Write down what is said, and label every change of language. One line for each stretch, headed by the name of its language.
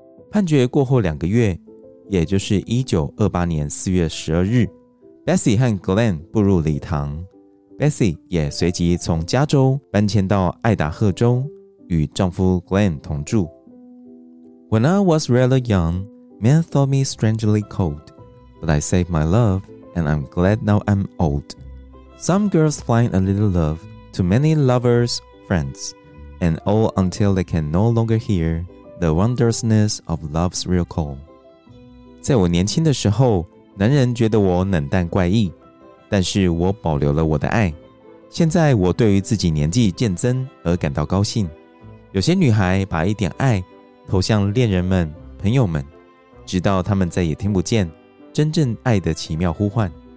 Chinese: 判决过后两个月，也就是1928年4月12日， Bessie 和 Glenn 步入礼堂， Bessie 也随即从加州搬迁到爱达荷州与丈夫 Glenn 同住。
English: When I was rather young, men thought me strangely cold, but I saved my love and I'm glad now I'm old. Some girls find a little love to many lovers, friends, and all until they can no longer hear the wondrousness of love's real call.
Chinese: 在我年轻的时候，男人觉得我冷淡怪异，但是我保留了我的爱。现在我对于自己年纪渐增而感到高兴。有些女孩把一点爱投向恋人们、朋友们，直到他们再也听不见真正爱的奇妙呼唤。